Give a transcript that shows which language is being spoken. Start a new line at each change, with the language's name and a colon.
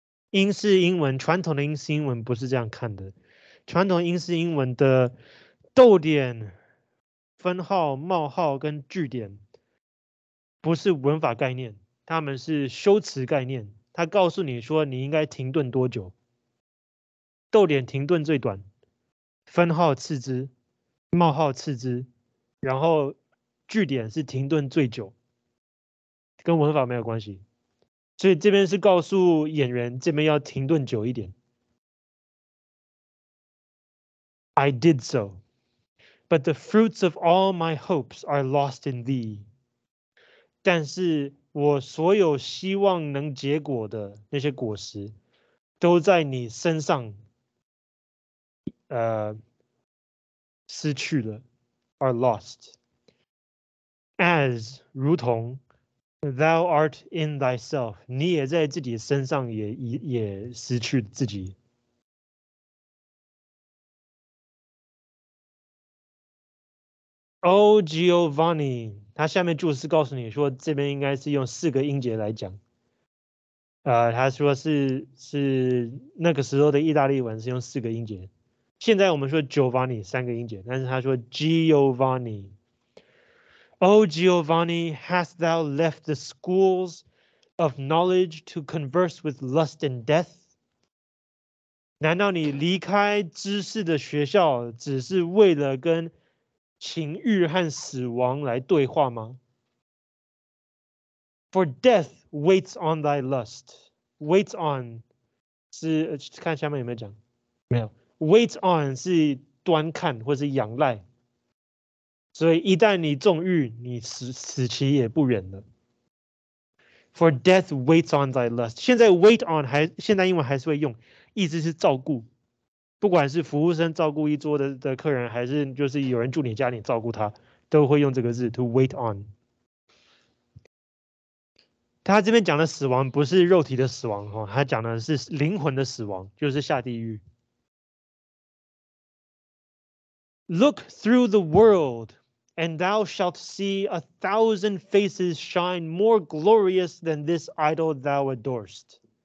Chinese: 英式英文，传统的英式英文不是这样看的，传统英式英文的逗点、分号、冒号跟句点不是文法概念，他们是修辞概念，他告诉你说你应该停顿多久，逗点停顿最短，分号次之，冒号次之，然后句点是停顿最久，跟文法没有关系。所以这边是告诉演员这边要停顿久一点。
English: I did so, but the fruits of all my hopes are lost in thee.
Chinese: 但是我所有希望能结果的那些果实都在你身上失去了，
English: are lost. As,
Chinese: 如同，
English: thou art in thyself,
Chinese: 你也在自己身上 也失去自己。 O Giovanni, 他下面注释告诉你说这边应该是用四个音节来讲。他说 是那个时候的意大利文是用四个音节。现在我们说 Giovanni 三个音节，但是他说 Giovanni。
English: O Giovanni, hast thou left the schools of knowledge to converse with lust and death?
Chinese: 难道你离开知识的学校只是为了跟情欲和死亡来对话吗？
English: For death waits on thy lust. Wait on
Chinese: 是看下面有没有讲，没有。 Wait on 是端看或是仰赖，所以一旦你纵欲，你 死期也不远了。
English: For death waits on thy lust.
Chinese: 现在 wait on 还现在英文还是会用，意思是照顾，不管是服务生照顾一桌 的客人，还是就是有人住你家你照顾他，都会用这个字
English: to wait on。
Chinese: 他这边讲的死亡不是肉体的死亡，他讲的是灵魂的死亡，就是下地狱。
English: Look through the world, and thou shalt see a thousand faces shine more glorious than this idol thou adorest.